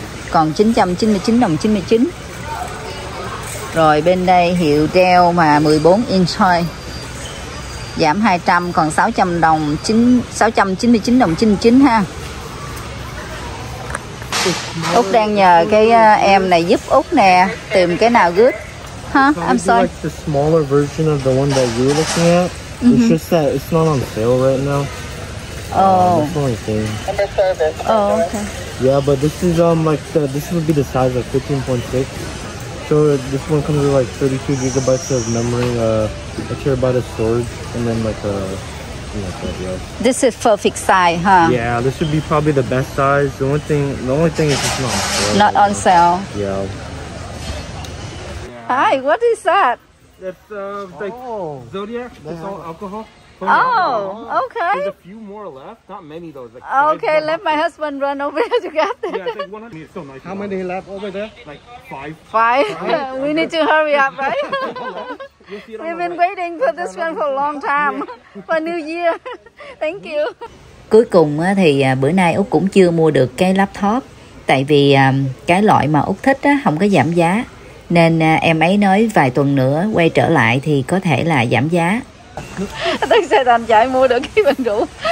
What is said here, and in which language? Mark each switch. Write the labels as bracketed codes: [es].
[vi] Còn 999 đồng 99. Rồi bên đây hiệu Dell mà 14 inch thôi. Giảm 200 còn 699 đồng 99 ha. Út đang nhờ cái em này giúp Út nè, tìm cái nào good. [en] Huh? I'm sorry. Like the smaller version of the one that you're looking at. Mm-hmm. It's just that it's not on sale right now. Oh. That's the only thing. Number service. Oh, okay. Yeah, but this is this would be the size of 15.6. So this one comes with like 32 gigabytes of memory, a terabyte of storage, and then like a, This is perfect size, huh? Yeah, this would be probably the best size. The only thing is it's not on sale. Not on sale. Yeah. Hi, what is that? That's Zodiac. That's all alcohol. Okay. There's a few more left. Not many though. Like okay, let my husband run over there to get them. Yeah, it's like 100. It's so nice. How many left over there? Like five. Five? We need to hurry up, right? We've been waiting for this one for a long time. For New Year. Thank you. [vi] Cuối cùng thì bữa nay Út cũng chưa mua được cái laptop. Tại vì cái loại mà Út thích không có giảm giá. Nên em ấy nói vài tuần nữa quay trở lại thì có thể là giảm giá. Tức Sài Thành chạy mua được cái bình rượu.